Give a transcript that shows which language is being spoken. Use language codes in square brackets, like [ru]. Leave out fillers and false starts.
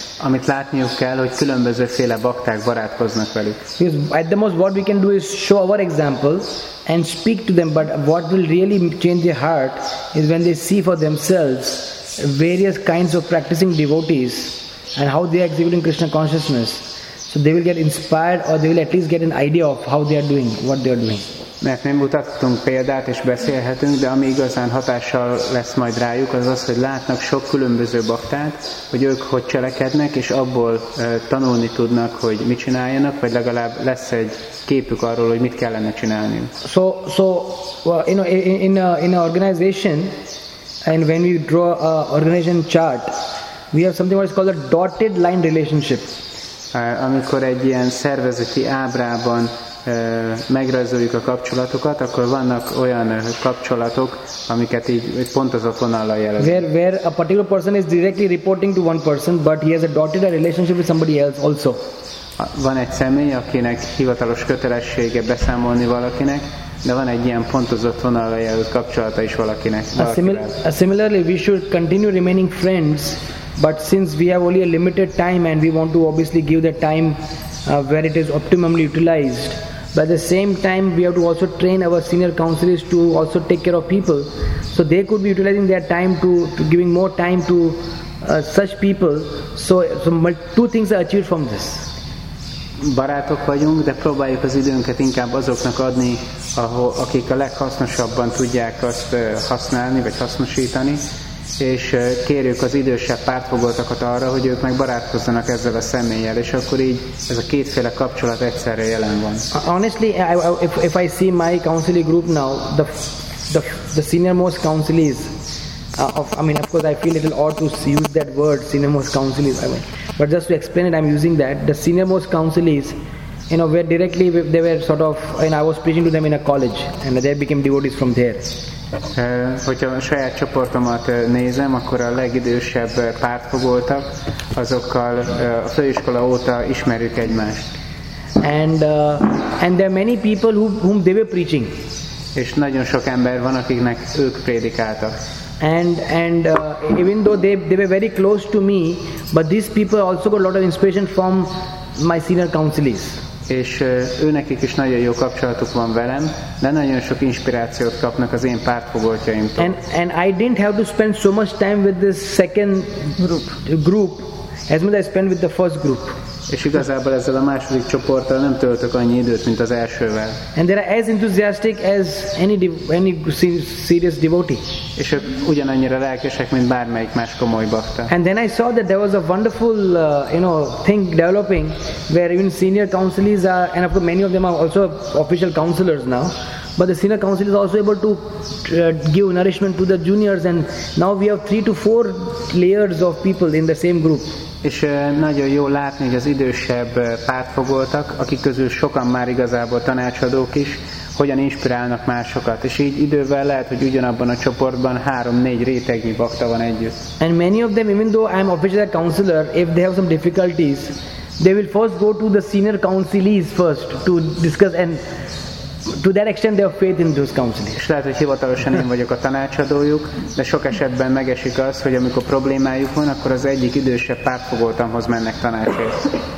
[hu] Amit látniuk kell, hogy különbözőféle bakták barátkoznak velük. [en] Because at the most what we can do is show our example and speak to them, but what will really change their heart is when they see for themselves various kinds of practicing devotees and how they are exhibiting Krishna consciousness. So they will get inspired or they will at least get an idea of how they are doing, what they are doing. [hu] Mert nem mutatunk példát és beszélhetünk, de ami igazán hatással lesz majd rájuk, az az, hogy látnak sok különböző baktát, hogy ők hogy cselekednek, és abból tanulni tudnak, hogy mit csináljanak, vagy legalább lesz egy képük arról, hogy mit kellene csinálni. [en] So well, you know, in a organization, and when we draw a organization chart, we have something what is called a dotted line relationship. [hu] Amikor egy ilyen szervezeti ábrában megrajzoljuk a kapcsolatokat, akkor vannak olyan kapcsolatok, amiket így pontozott vonallal jelezünk. [en] Where a particular person is directly reporting to one person, but he has a dotted relationship with somebody else also. [hu] Van egy személy, akinek hivatalos kötelessége beszámolni valakinek, de van egy ilyen pontozott vonallal jelölt kapcsolata is valakinek. [en] Similarly, we should continue remaining friends, but since we have only a limited time and we want to obviously give the time where it is optimally utilized, but at the same time we have to also train our senior counselors to also take care of people, so they could be utilizing their time to giving more time to such people, so two things are achieved from this. [hu] Barátok vagyunk, de próbáljuk az időnket inkább azoknak adni, akik a leghasznosabban tudják azt használni vagy hasznosítani, és kérjük az idősebb pártfogoltakat arra, hogy ők meg barátkozzanak ezzel a személlyel, és akkor így ez a kétféle kapcsolat egyszerre jelen van. [en] Honestly, if I see my counselee group now, the senior most counselees, of course I feel a little odd to use that word, senior most counselees, I mean, but just to explain it, I'm using that, the senior most counselees, you know, were directly, they were sort of, and I was preaching to them in a college, and they became devotees from there. [hu] Hogyha a saját csoportomat nézem, akkor a legidősebb pártfogoltak, azokkal a főiskola óta ismerjük egymást. [en] And there are many people whom they were preaching. [hu] És nagyon sok ember van, akiknek ők prédikáltak. [en] And even though they were very close to me, but these people also got a lot of inspiration from my senior counselees. [hu] És őnekik is nagyon jó kapcsolatuk van velem, de nagyon sok inspirációt kapnak az én pártfogoltjaimtól. [en] And I didn't have to spend so much time with this second group as much as I spent with the first group. [hu] És igazából ezzel a második csoporttal nem töltök annyi időt, mint az elsővel. [en] And they are as enthusiastic as any serious devotee. [hu] És ők ugyanannyira lelkesek, mint bármelyik más komoly bhakta. [en] And then I saw that there was a wonderful, thing developing, where even senior counselees are, and of course many of them are also official counselors now, but the senior counselee is also able to give nourishment to the juniors, and now we have 3 to 4 layers of people in the same group. [hu] És nagyon jó látni, hogy az idősebb pártfogoltak, akik közül sokan már igazából tanácsadók is, hogyan inspirálnak másokat. És így idővel lehet, hogy ugyanabban a csoportban 3-4 rétegnyi bakta van együtt. [en] And many of them, even though I'm official counselor, if they have some difficulties, they will first go to the senior counselees first to discuss, and to that extent they have faith in those counselees. [hu] És lehet, hogy hivatalosan én vagyok a tanácsadójuk, de sok esetben megesik az, hogy amikor problémájuk van, akkor az egyik idősebb pártfogoltamhoz mennek tanácsért.